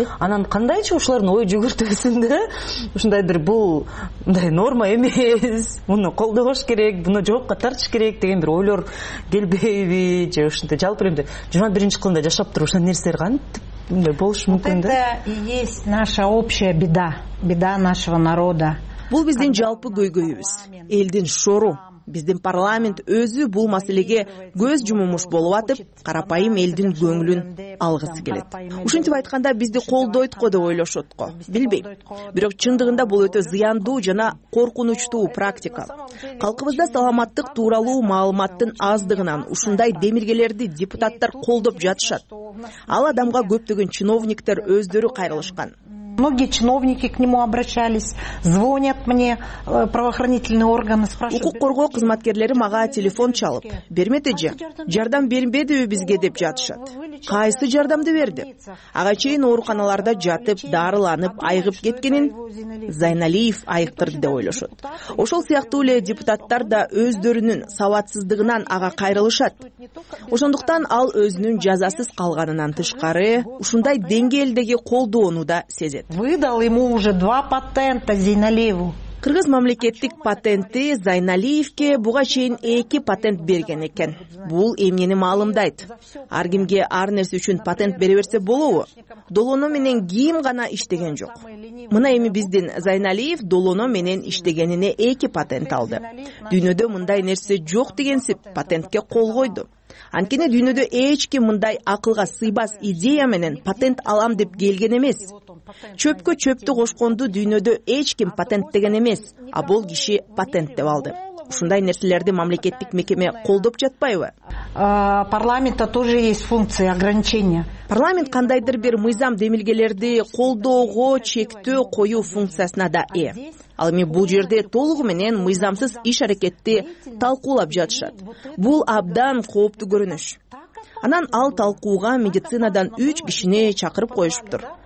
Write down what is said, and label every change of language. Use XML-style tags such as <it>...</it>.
<ky>Анан кандайча ушулардын ой жүгүртүүсүн да ушундайдыр, бул мындай норма эмес, муну колдогош керек, муну жоопко тартыш керек деген бир ойлор келбейби, же ушинтип жалпы эле 21-кылымда жашап туруп ушундай нерселер кантип болушу мүмкүн да?</ky> <ru>Это и есть наша общая беда, беда нашего народа.</ru> <ky>Бул биздин жалпы көйгөйүбүз, элдин шору. Биздин парламент өзү бул маселеге көз жумумуш болуп атып, карапайым элдин көңүлүн алгысы келет. Ушинтип айтканда бизди колдойт го деп ойлошот го. Билбейм. Бирок чындыгында бул өтө зыяндуу жана коркунучтуу практика. Калкыбызда саламаттык тууралуу маалыматтын аздыгынан ушундай демиргелерди депутаттар колдоп жатышат. Ал адамга көптөгөн чиновниктер өздөрү кайрылышкан.</ky> <ru>Многие чиновники к нему обращались, звонят мне правоохранительные органы, спрашивают.</ru> <ky>Укук коргоо кызматкерлери мага телефон чалып, бермеди же, жардам бербедиби бизге деп жатышат. Кайсы жардамды берди? Ага чейин ооруканаларда жатып, дарыланып, айыгып кеткенин Зайналиев айыктырды деп ойлошот. Ошол сыяктуу эле депутаттар да өздөрүнүн сабатсыздыгынан ага кайрылышат. Ошондуктан ал өзүнүн жазасыз калганынан тышкары ушундай деңгээлдеги колдоону да сезет.</ky> <ru>Выдал ему уже два патента Зейналиеву.</ru> <ky>Кыргыз мамлекеттик патенти Зайналиевке буга чейин эки патент берген экен. Бул эмнени маалымдайт? Ар кимге ар нерсе үчүн патент бере берсе болобу? Долоно менен ким гана иштеген жок. Мына эми биздин Зайналиев долоно менен иштегенине эки патент алды. Дүйнөдө мындай нерсе жок дегенсип патентке кол койду. Анткени дүйнөдө эч ким мындай акылга сыйбас идея менен патент алам деп келген эмес. Чөпкө чөптү кошконду дүйнөдө эч ким патент деген эмес, а бул киши патент деп алды. Ушундай нерселерди мамлекеттик мекеме колдоп жатпайбы?</ky> <ru>Парламентта тоже есть функция ограничения.</ru> <ky>Парламент кандайдыр бир мыйзам демилгелерди колдоого чектөө коюу функциясына да ээ. Ал эми бул жерде толугу менен мыйзамсыз иш аракетти талкуулап жатышат. Бул абдан кооптуу көрүнүш. Анан ал талкууга медицинадан 3 кишини чакырып коюшуптур.</ky>